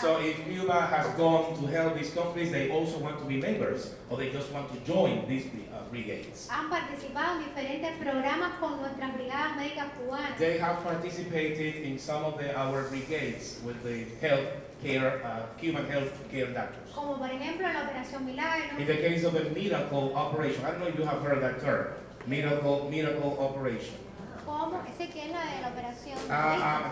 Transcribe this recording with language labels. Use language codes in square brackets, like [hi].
[en] So if Cuba has gone to help these countries, they also want to be members, or they just want to join these brigades. [es] Han participado en diferentes programas con nuestras brigadas médicas cubanas. [en] They have participated in some of our brigades with the health care, Cuban health care doctors. [es] Como por ejemplo la Operación Milagro. [en] In the case of a miracle operation, I don't know if you have heard that term. Miracle operation. [es] ¿Cómo? ¿Ese que es la de la operación?